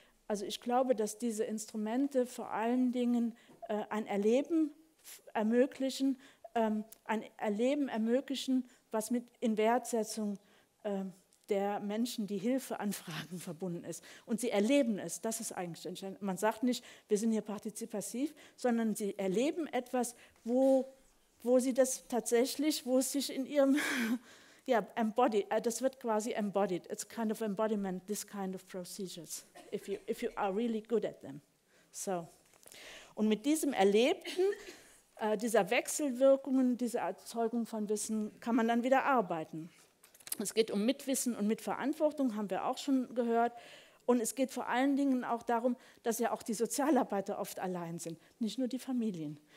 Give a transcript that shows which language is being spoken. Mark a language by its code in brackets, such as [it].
[de] Also ich glaube, dass diese Instrumente vor allen Dingen ein Erleben ermöglichen, was mit in Wertsetzung der Menschen, die Hilfe anfragen, verbunden ist. Und sie erleben es, das ist eigentlich entscheidend. Man sagt nicht, wir sind hier partizipativ, sondern sie erleben etwas, wo sie das tatsächlich, wo es sich in ihrem, ja, embodied, das wird quasi embodied. [en] It's kind of embodiment, this kind of procedures, if you are really good at them. So. [de] Und mit diesem Erlebten, dieser Wechselwirkungen, dieser Erzeugung von Wissen, kann man dann wieder arbeiten. Es geht um Mitwissen und Mitverantwortung, haben wir auch schon gehört. Und es geht vor allen Dingen auch darum, dass ja auch die Sozialarbeiter oft allein sind, nicht nur die Familien.